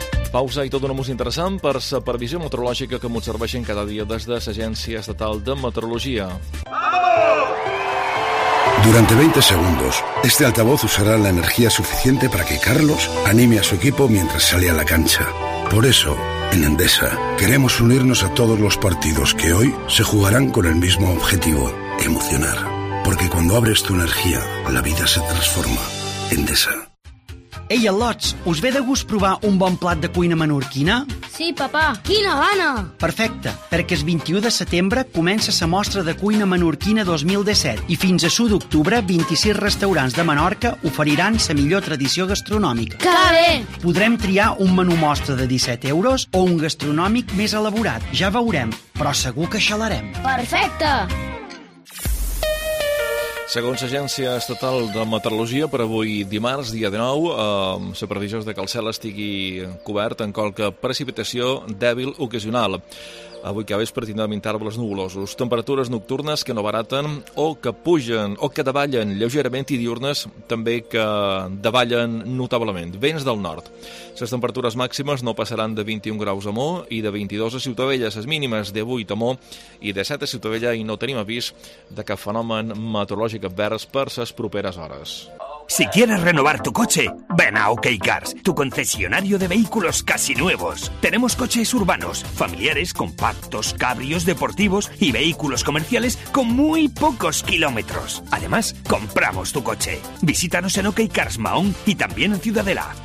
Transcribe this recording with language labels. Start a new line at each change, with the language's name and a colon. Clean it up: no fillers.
Catalan: Pausa i tot una música interessant per la previsió meteorològica que ens serveixen cada dia des de l'Agència Estatal de Meteorologia.
Spanish: Durante 20 segundos, este altavoz usará la energía suficiente para que Carlos anime a su equipo mientras sale a la cancha. Por eso, en Endesa, queremos unirnos a todos los partidos que hoy se jugarán con el mismo objetivo, emocionar. Porque cuando abres tu energía, la vida se transforma. Endesa.
Catalan: Ei, al·lots, us ve de gust provar un bon plat de cuina menorquina? Sí, papà, quina gana! Perfecte, perquè el 21 de setembre comença la mostra de cuina menorquina 2017 i fins a 1 d'octubre 26 restaurants de Menorca oferiran la millor tradició gastronòmica. Que bé! Podrem triar un menú mostra de 17 euros o un gastronòmic més elaborat. Ja veurem, però segur que xalarem. Perfecte! Segons l'Agència Estatal de Meteorologia, per avui dimarts, dia 19, la previsió és que el cel estigui cobert en qualque precipitació dèbil ocasional. Avui que vespre tindrem intervals nuvolosos. Temperatures nocturnes que no baraten o que pugen o que davallen lleugerament i diurnes també que davallen notablement. Vents del nord. Les temperatures màximes no passaran de 21 graus a Mó i de 22 a Ciutadella. Les mínimes de 8 a Mó i de 7 a Ciutadella i no tenim avís de cap fenomen meteorològic advers per les properes hores.
Spanish: Si quieres renovar tu coche, ven a OK Cars, tu concesionario de vehículos casi nuevos. Tenemos coches urbanos, familiares, compactos, cabrios, deportivos y vehículos comerciales con muy pocos kilómetros. Además, compramos tu coche. Visítanos en OK Cars Mahón y también en Ciudadela.